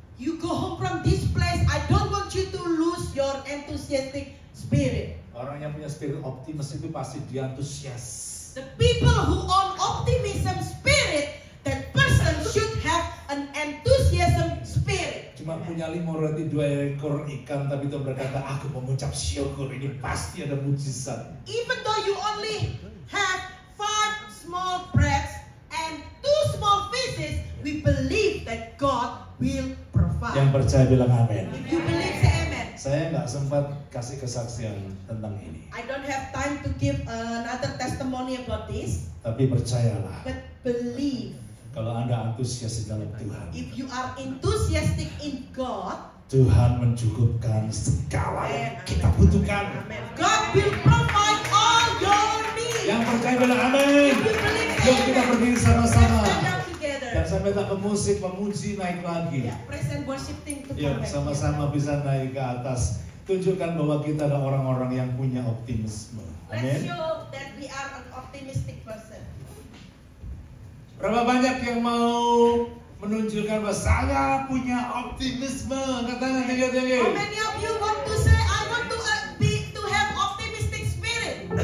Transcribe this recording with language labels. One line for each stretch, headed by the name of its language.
English: You go home from this place, I don't want you to lose your enthusiastic spirit.
Indonesian: Orang yang punya spirit optimis itu pasti dia antusias.
English: The people who own optimism spirit, that person should have an enthusiasm spirit.
Indonesian: Cuma punya 5 roti 2 ekor ikan tapi itu berkata, aku mengucap syukur, ini pasti ada mujizat.
English: Even though you only have 5 small breads and 2 small fishes, we believe that God will provide.
Indonesian: Yang percaya bilang amin.
English: You believe, say amen.
Indonesian: Saya enggak sempat kasih kesaksian tentang ini.
English: I don't have time to give another testimony about this.
Indonesian: Tapi percayalah.
English: But believe.
Indonesian: Kalau Anda antusias dalam Tuhan.
English: If you are enthusiastic in God,
Indonesian: Tuhan mencukupkan segala yang kita butuhkan.
English: Amen. God will provide all your needs.
Indonesian: Yang percaya bilang amin. Yuk kita berdiri sama-sama.
English: Let's stand up together.
Indonesian: sampai tak pemusik memuji naik lagi.
English: Yeah, praise and worship team to come.
Indonesian: Yeah, sama-sama yeah. Bisa naik ke atas. Tunjukkan bahwa kita adalah orang-orang yang punya optimisme.
English: Amen. Let's show that we are an optimistic person.
Indonesian: Berapa banyak yang mau menunjukkan bahwa saya punya optimisme? Katanya tinggi-tinggi.
English: How many of you want to say I want to to have optimistic spirit?